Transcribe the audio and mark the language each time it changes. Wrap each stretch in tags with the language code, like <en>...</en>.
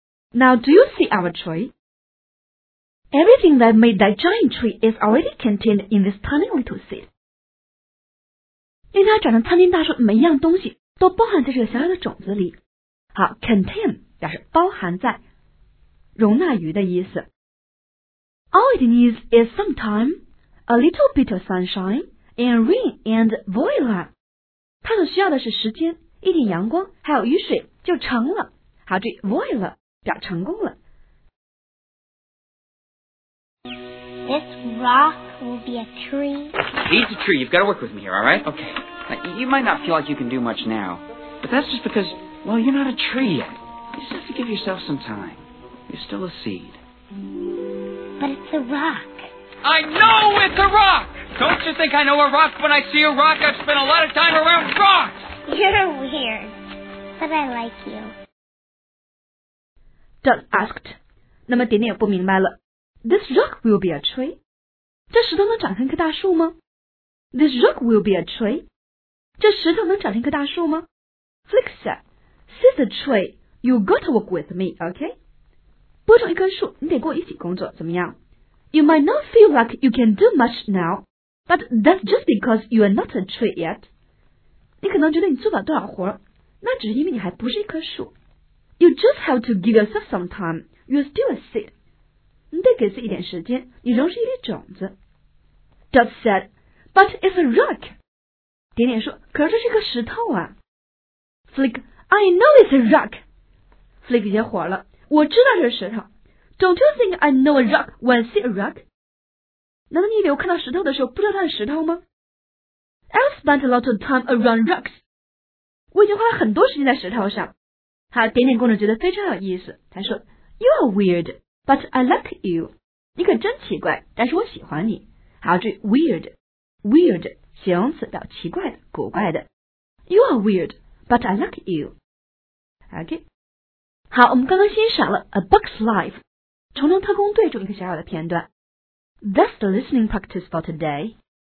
<en>Now do you see our tree? Everything that made that giant tree is already contained in this tiny little seed.</en> <zh>令它长成参天大树的每一样东西都包含在这个小小的种子里。好 ,contain 表示包含在容纳于的意思。</zh> <en>All it needs is some time, a little bit of sunshine, and rain, and voila!</en> <zh>它所需要的是时间一点阳光还有雨水就成了。好注意 voila 表成功了。</zh> <en>This rock will be a tree. He's a tree. You've got to work with me here, all right? Okay. Now, you might not feel like you can do much now, but that's just because, well, you're not a tree yet. You just have to give yourself some time. You're still a seed. But it's a rock. I know it's a rock! Don't you think I know a rock when I see a rock? I've spent a lot of time around rocks! You're weird, but I like you. Doug asked.</en> <zh>那么点点也不明白了。</zh> <en>This rock will be a tree.</en> <zh>这石头能长成一棵大树吗?</zh> <en>This rock will be a tree.</en> <zh>这石头能长成一棵大树吗?</zh> <en>Flick said, see the tree, you got to work with me, okay?</en> <zh>播种一棵树,你得跟我一起工作,怎么样?</zh> <en>You might not feel like you can do much now, but that's just because you are not a tree yet.</en> <zh>你可能觉得你做不了多少活,那只是因为你还不是一棵树。</zh> <en>You just have to give yourself some time, you're still a seed.</en> <zh>你得给自己一点时间，你仍是一粒种子。</zh> <en>Doug said, but it's a rock.</en> <zh>点点说，可是这是个石头啊。</zh> <en>Flick, I know it's a rock.</en> <zh>Flick 也火了，我知道这是石头。</zh> <en>Don't you think I know a rock when I see a rock?</en> <zh>难道你以为我看到石头的时候不知道它是石头吗？</zh> <en>I've spent a lot of time around rocks.</en> <zh>我已经花了很多时间在石头上。好，点点公主觉得非常有意思，她说</zh> <en>You are weird. But I like you.</en> <zh>你可真奇怪，但是我喜欢你。好，注意 weird. Weird, 形容词表奇怪的、古怪的。</zh> <en>You are weird, but I like you. OK.</en> <zh>好，我们刚刚欣赏了 A Bug's Life, 虫虫特工队中一个小小的片段。</zh> <en>That's the listening practice for today.</en>